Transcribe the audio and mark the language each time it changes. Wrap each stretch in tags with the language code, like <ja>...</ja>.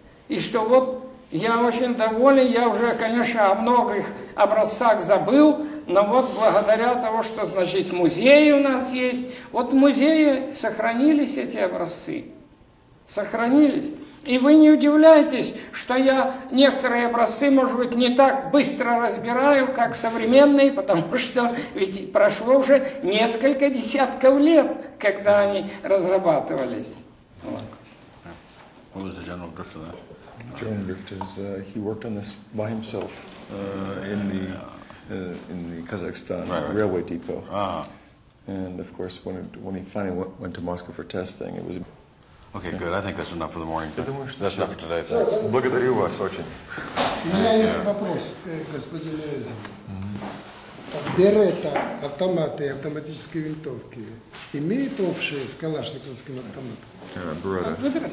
<ru>И что вот я очень доволен, я уже, конечно, о многих образцах забыл, но вот благодаря тому, что, значит, музеи у нас есть, вот в музее сохранились эти образцы. Сохранились. И вы не удивляйтесь, что я некоторые образцы, может быть, не так быстро разбираю, как современные, потому что ведь прошло уже несколько десятков лет, когда они разрабатывались. Вот.</ru> <en>What was the general drift of that? General drift is he worked on this by himself in the Kazakhstan railway depot. Ah. And of course, when he finally went to Moscow for testing, it was. Okay, good. I think that's enough for the morning. That's enough for today.</en> <ru>Благодарю вас очень. У меня есть вопрос, господин Лезин. Берета автоматы, автоматические винтовки имеют общее с калашниковским автоматом?</ru>